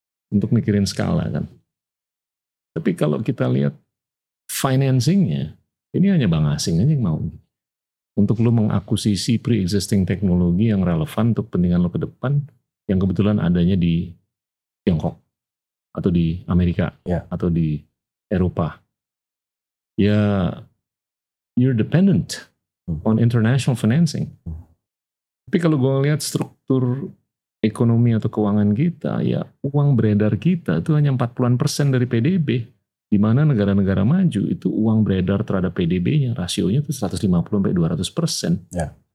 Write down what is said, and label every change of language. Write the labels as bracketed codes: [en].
[id] untuk mikirin skala kan. Tapi kalau kita lihat financingnya, ini hanya bank asing aja yang mau. Untuk lu mengakuisisi pre-existing teknologi yang relevan untuk kepentingan lu ke depan, yang kebetulan adanya di Tiongkok, atau di Amerika, yeah, atau di Eropa. Ya, [en] you're dependent on international financing. [id] Tapi kalau gue ngeliat struktur ekonomi atau keuangan kita, ya uang beredar kita itu hanya 40%-an dari PDB. Di mana negara-negara maju itu uang beredar terhadap PDB-nya rasionya itu 150-200%. Yeah.